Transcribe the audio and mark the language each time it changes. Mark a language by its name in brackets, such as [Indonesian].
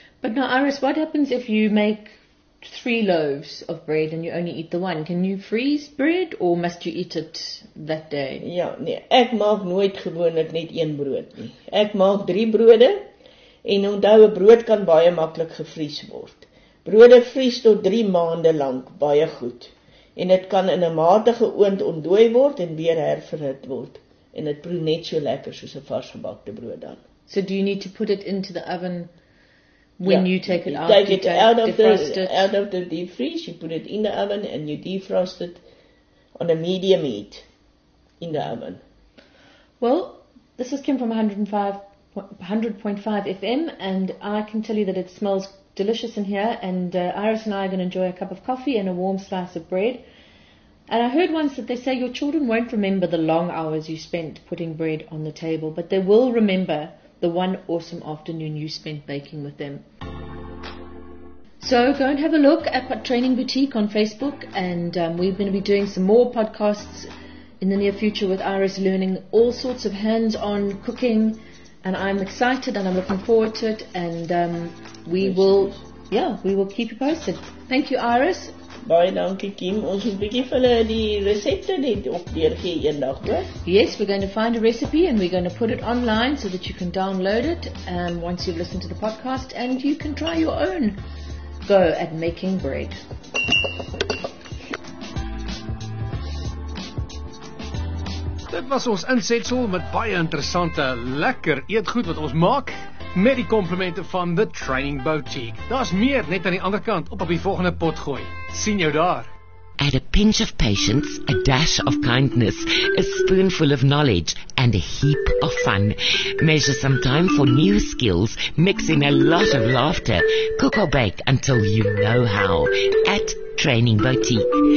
[English] But now, Iris, what happens if you make 3 loaves of bread and you only eat the one? Can you freeze bread or must you eat it that day? [Afrikaans] Ja, nee, ek maak nooit gewoonlik net 1 brood nie. Ek maak 3 brode en onthou, brood kan baie maklik gevries word. Brode vries tot 3 maande lang baie goed en het kan in 'n matige oond ontdooi word en weer herverhit word en het proe net so lekker soos 'n varsgebakte brood dan. [English] So do you need to put it into the oven? When you take it out, out of the deep freeze, you put it in the oven and you defrost it on a medium heat in the oven. Well, this is Kim from 100.5 FM, and I can tell you that it smells delicious in here, and Iris and I are going to enjoy a cup of coffee and a warm slice of bread. And I heard once that they say your children won't remember the long hours you spent putting bread on the table, but they will remember the one awesome afternoon you spent baking with them. So go and have a look at Training Boutique on Facebook, and we're going to be doing some more podcasts in the near future with Iris, learning all sorts of hands-on cooking, and I'm excited and I'm looking forward to it, and we will keep you posted. Thank you, Iris. [Afrikaans] Baie dankie, Kim. Ons moet bietjie vir hulle die resepte net opdeur gee eendag, hoor. [English] Yes, we're going to find a recipe and we're going to put it online so that you can download it once you've listened to the podcast and you can try your own go at making bread. [Afrikaans] Dit was ons insetsel met baie interessante, lekker eetgoed wat ons maak. Met die complimente van The Training Boutique. Daar is meer net aan die andere kant op die volgende pot gooi. Sien jou daar. [English] Add a pinch of patience, a dash of kindness, a spoonful of knowledge and a heap of fun. Measure some time for new skills, mix in a lot of laughter. Cook or bake until you know how. At Training Boutique.